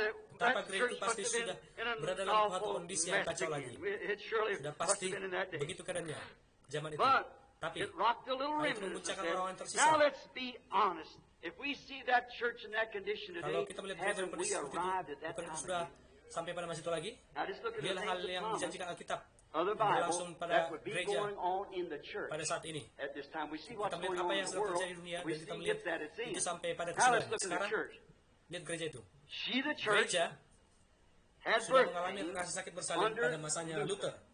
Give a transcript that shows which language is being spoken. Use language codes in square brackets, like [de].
[id] Betapa kira itu pasti sudah berada dalam suatu kondisi yang kacau lagi. Sudah pasti begitu keadaannya zaman itu. Tapi, hal itu memuncakan orang yang tersisa. [en] Now let's be honest. If we see that church in that condition today, [id] kalau kita melihat gereja yang kondisi seperti itu, bukan itu sudah sampai pada masa itu lagi? Dialah hal yang dijanjikan Alkitab. Langsung pada gereja pada saat ini. Kita melihat apa yang sudah terjadi di dunia, dan kita melihat itu sampai pada kesempatan. Sekarang, lihat gereja itu. Gereja sudah mengalami rasa sakit bersalin pada masanya Luther.